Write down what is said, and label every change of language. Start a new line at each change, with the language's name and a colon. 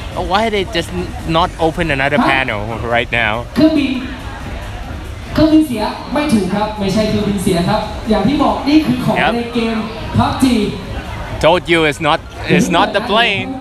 English: Why they just not open another panel right now
Thai: เครื่องบินเครื่องบินเสียไม่ถูกครับไม่ใช่เครื่องบินเสียครับอย่างที่บอกนี่คือของในเกม PUBG
English: Told you it's not the plane